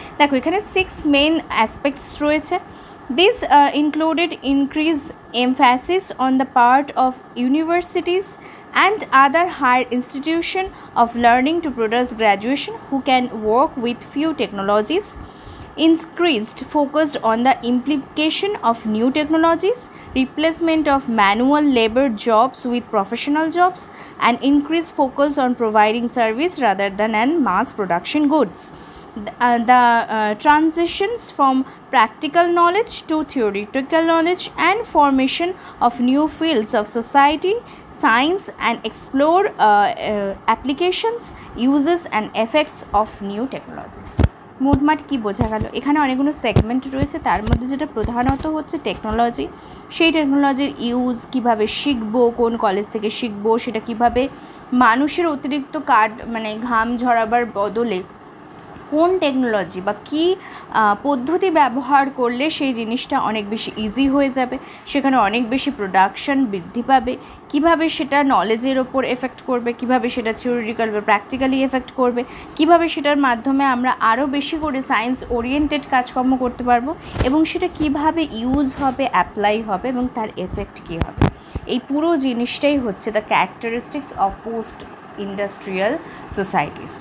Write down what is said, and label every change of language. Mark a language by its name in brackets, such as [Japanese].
[Bangla] দেখো এখানে [English] Six main aspects রয়েছে, this included increase emphasis on the part of universities and other higher institution of learning to produce graduation who can work with few technologies. increased focused on the implication of new technologies, replacement of manual labor jobs with professional jobs, and increased focus on providing service rather than mass production goods. The transitions from practical knowledge to theoretical knowledge and formation of new fields of society, science, and explore applications, uses, and effects of new technologies. [Bangla] মোটমাট কী বোঝা গেল? এখানে অনেকগুলো segment রয়েছে, তার মধ্যে যেটা প্রধানত হচ্ছে টেকনোলজি, সেই টেকনোলজির ইউজ, কীভাবে শিখবো, কোন কলেজ থেকে শিখবো, সেটা কীভাবে মানুষের অতিরিক্ত কাট মানে ঘাম ঝরাবার বদলে কোন টেকনোলজি বা কী পদ্ধতি ব্যবহার করলে সেই জিনিসটা অনেক বেশি ইজি হয়ে যাবে, সেখানে অনেক বেশি প্রোডাকশন বৃদ্ধি পাবে, কীভাবে সেটা নলেজের ওপর এফেক্ট করবে, কীভাবে সেটা থিওরিটিক্যাল বা প্র্যাকটিক্যালি এফেক্ট করবে, কীভাবে সেটার মাধ্যমে আমরা আরও বেশি করে সায়েন্স ওরিয়েন্টেড কাজকর্ম করতে পারবো, এবং সেটা কীভাবে ইউজ হবে, অ্যাপ্লাই হবে, এবং তার এফেক্ট কী হবে, এই পুরো জিনিসটাই হচ্ছে [English] The characteristics of post industrial societies.